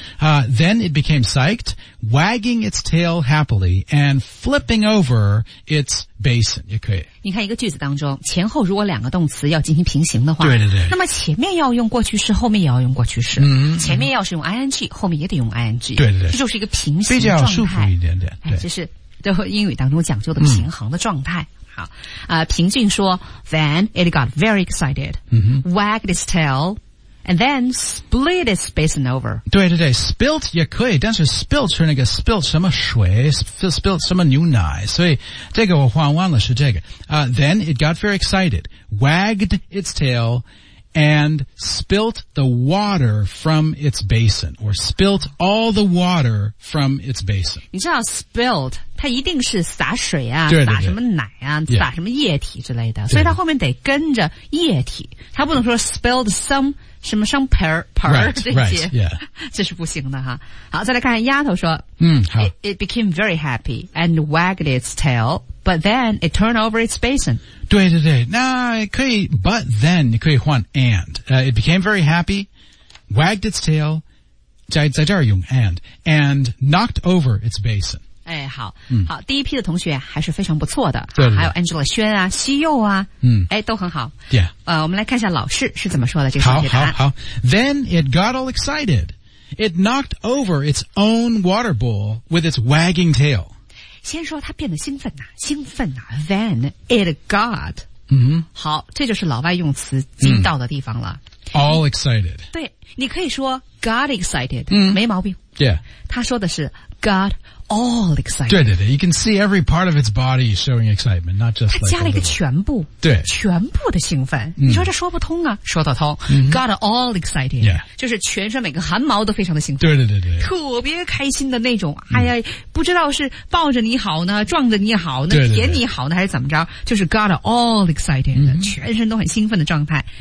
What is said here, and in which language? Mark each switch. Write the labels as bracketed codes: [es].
[en] Then it became psyched, wagging its tail happily and flipping over its basin. [zh] 也可以。你看一个句子当中前后如果两个动词要进行平行的话。对对对。那么前面要用过去式后面也要用过去式。前面要是用 ing, 后面也得用 ing。对对对。这就是一个平行状态。比较舒服一点点。对。这是英语当中讲究的平衡的状态。好平静说 [en] Then it got very excited、 mm-hmm. Wagged its tail And then split its basin over [zh] 对对对 [en] Spilt [zh] 也可以但是 [en] spilt [zh] 是那个 [en] spilt [zh] 什么水 [en] Spilt [zh] 什么牛奶所以这个我换完了是这个、 [en] Then it got very excited Wagged its tail And spilt the water from its basin Or spilt all the water from its basin [zh] 你知道 spilt它一定是洒水啊对对对洒什么奶啊、 [en] yeah. [zh] 洒什么液体之类的对对所以它后面得跟着液体它不能说 [en] spilled some [zh] 什么什么 per [en] right, [zh] 这些 [en] right,、yeah. [zh] 这是不行的哈好再来看丫头说好 [en] it became very happy and wagged its tail but then it turned over its basin. [zh] 对， [en] nah, it could, but then it could want and. It became very happy, wagged its tail, [zh] 在这儿用 [en] and knocked over its basin. [zh] 哎，好，嗯，好，第一批的同学还是非常不错的，对，还有 Angela 轩啊，西柚啊，嗯，哎，都很好。 [en] Yeah. [zh] 我们来看一下老师是怎么说的这个同学答案。好。 [en] Then it got all excited. It knocked over its own water bowl with its wagging tail. [zh] 先说它变得兴奋啊，兴奋啊。 [en] Then it got. [zh] 嗯，好，这就是老外用词精到的地方了。 [en] All excited. [zh] 对，你可以说 [en] got excited, [zh] 没毛病。 [en] Yeah. [zh] 他说的是 [en] got all excited. [zh] 对。 [en] You can see every part of its body showing excitement, not just like [zh] 他加了一个全部。对。全部的兴奋。你说这说不通啊，说得通。 [en] Got all excited. Yeah. [zh] 就是全身每个汗毛都非常的兴奋。对。特别开心的那种，哎呀，不知道是抱着你好呢，撞着你好呢，舔你好呢，还是怎么着，就是 [en] got all excited, [zh] 全身都很兴奋的状态。